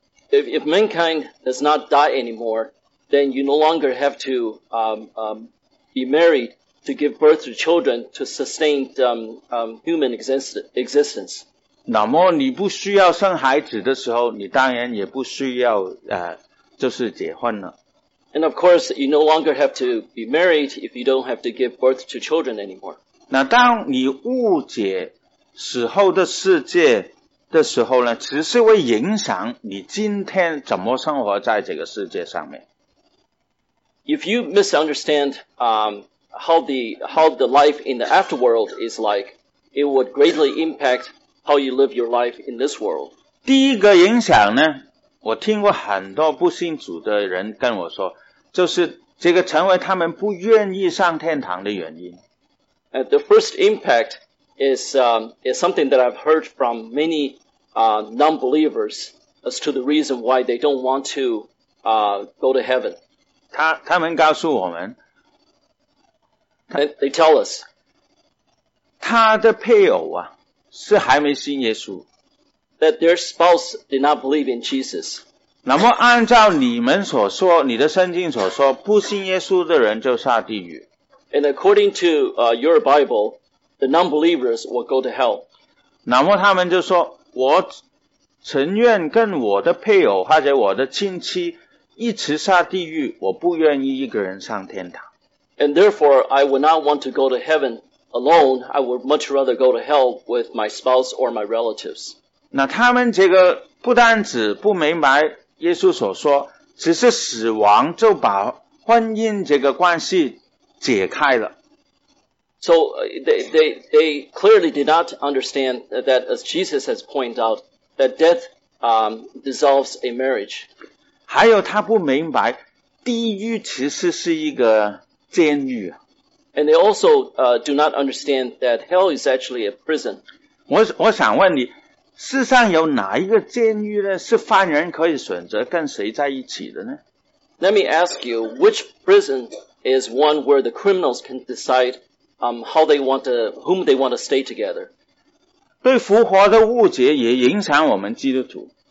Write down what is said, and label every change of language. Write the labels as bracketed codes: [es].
[en] If mankind does not die anymore, then you no longer have to be married to give birth to children to sustain human existence. [zh] 那么你不需要生孩子的时候，你当然也不需要就是结婚了。 [en] And of course, you no longer have to be married if you don't have to give birth to children anymore. [zh] 那当你误解死后的世界的时候呢，只是会影响你今天怎么生活在这个世界上面。 [en] If you misunderstand how the life in the afterworld is like, it would greatly impact how you live your life in this world. [zh] 第一个影响呢，我听过很多不信主的人跟我说。就是这个成为他们不愿意上天堂的原因。 [en] The first impact is something that I've heard from many non-believers as to the reason why they don't want to go to heaven. [zh] 他们告诉我们 [en] they tell us, [zh] 他的配偶啊是还没信耶稣。 [en] That their spouse did not believe in Jesus. [zh] 那么按照你们所说，你的圣经所说，不信耶稣的人就下地狱。 [en] And according to your Bible, the non-believers will go to hell. [zh] 那么他们就说，我情愿跟我的配偶或者我的亲戚一起下地狱，我不愿意一个人上天堂。 [en] And therefore, I would not want to go to heaven alone. I would much rather go to hell with my spouse or my relatives. [zh] 那他们这个不单只不明白耶稣所说，只是死亡就把婚姻这个关系解开了。 [en] So they clearly did not understand that, as Jesus has pointed out, that death dissolves a marriage. [zh] 还有他不明白地狱其实是一个监狱。 [en] And they also do not understand that hell is actually a prison. [zh] 我想问你，世上有哪一个监狱呢是犯人可以选择跟谁在一起的呢？ [en] Let me ask you, which prison is one where the criminals can decide how they want to, whom they want to stay together. [zh] 对复活的误解也影响我们基督徒。